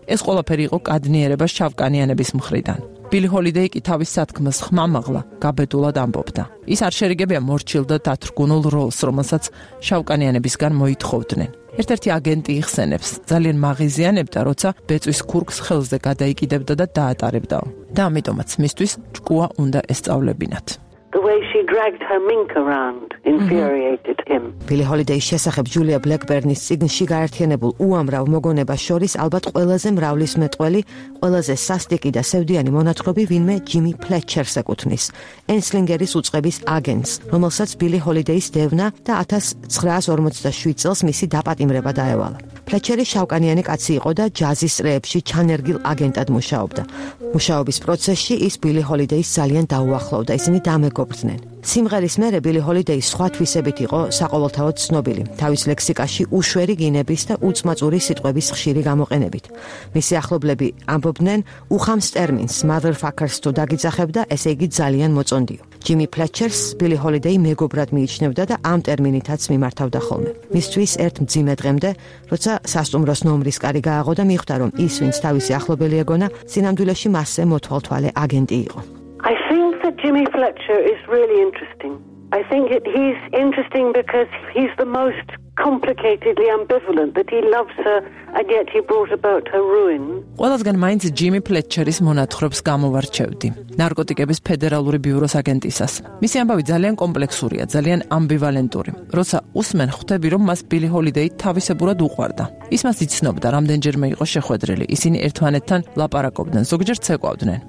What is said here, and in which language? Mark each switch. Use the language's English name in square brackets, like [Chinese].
[Georgian] ეს ყველაფერი იყო კადნიერება შავკანიანების მხრიდან. ბილი ჰოლიდეი კი თავის სათქმელს ხმამაღლა გაბედულად ამბობდა. ის არ შერიგებია მორჩილ და დათრგუნულ როლს, რომელსაც შავკანიანებისგან მოითხოვდნენ. ერთ-ერთი აგენტი იხსენებს, ძალიან მაღიზიანებდა, როცა ბეწვის ქურკს ხელზე გადაიკიდებდა და დაატარებდაო. და ამიტომაც მისთვის ჭკუა უნდა ესწავლებინათ. [English] The way she dragged her mink around infuriated him. [Georgian] Billie Holiday's შესახებ ჯულია ბლეკბერნის წიგნში გაერთიანებულ უამრავ მოგონებას შორის ალბათ ყველაზე მრავლის მეტყველი, ყველაზე სასტიკი და სევდიანი მონათხრობი ვინმე ჯიმი ფლეტჩერს ეკუთვნის. ენსლინგერის უწყების აგენტს, რომელსაც ბილი ჰოლიდეის დევნა და 1947 წელს მისი დაპატიმრება დაევალა. ფლეტჩერი შავკანიანი კაცი იყო და ჯაზის რეებში ჩანერგილ აგენტად მუშაობდა. მუშაობის პროცესში ის ბილი ჰოლიდეის ძალიან დაუახლოვდა, ისინი დამეგობრდნენ. სიმღერის მერე ბილი ჰოლიდეის სხვა თვისებით იყო საყოველთაოდ ცნობილი, თავის ლექსიკაში უშვერი გინების და უწმაწური სიტყვების ხშირი გამოყენებით. მისი ახლობლები ამბობდნენ: უხამს ტერმინს motherfuckers თუ დაგიძახებ და ესე იგი ძალიან მოწონდიო. ჯიმი ფლეტჩერს ბილი ჰოლიდეი მეგობრად მიიჩნევდა და ამ ტერმინითაც მიმართავდა ხოლმე. მისთვის ერთ მძიმე დღემდე, როცა სასტუმროს ნომრის კარი გააღო და მიხვდა, რომ ის, ვინც თავისი ახლობელი ეგონა, სინამდვილეში მასზე მოთვალთვალე აგენტი იყო. [English] I think that Jimmy Fletcher is really interesting. I think that he's interesting because he's the most complicatedly ambivalent, that he loves her and yet he brought about her ruin. [Georgian] ყველასგან მაინც ჯიმი ფლეტჩერის მონათხრობს გამოვარჩევდი. ნარკოტიკების ფედერალური ბიუროს აგენტისას. მისი ამბავი ძალიან კომპლექსურია, ძალიან ამბივალენტური. როცა უსმენ, ხვდები, რომ მას ბილი ჰოლიდეი თავისებურად უყვარდა. ის მას იცნობდა, რამდენჯერმე იყო შეხვედრილი. ისინი ერთმანეთთან ლაპარაკობდნენ, ზოგჯერ ცეკვავდნენ.